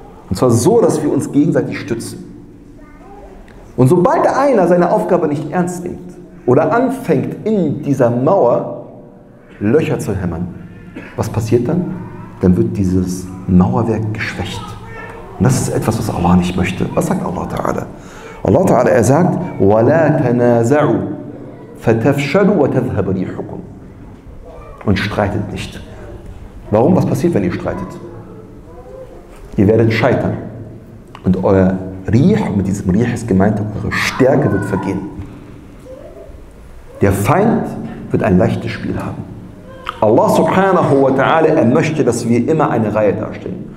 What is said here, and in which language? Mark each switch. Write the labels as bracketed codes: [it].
[de] Und zwar so, dass wir uns gegenseitig stützen. Und sobald einer seine Aufgabe nicht ernst nimmt oder anfängt, in dieser Mauer Löcher zu hämmern, was passiert dann? Dann wird dieses Mauerwerk geschwächt. Und das ist etwas, was Allah nicht möchte. Was sagt Allah Ta'ala? Allah Ta'ala, er sagt, [ar] وَلَا تَنَازَعُوا فَتَفْشَلُوا وَتَذْهَبَ رِيحُكُمْ. [de] Und streitet nicht. Warum? Was passiert, wenn ihr streitet? Ihr werdet scheitern. Und euer Riech, mit diesem Riech ist gemeint, eure Stärke wird vergehen. Der Feind wird ein leichtes Spiel haben. Allah subhanahu wa ta'ala, er möchte, dass wir immer eine Reihe darstellen.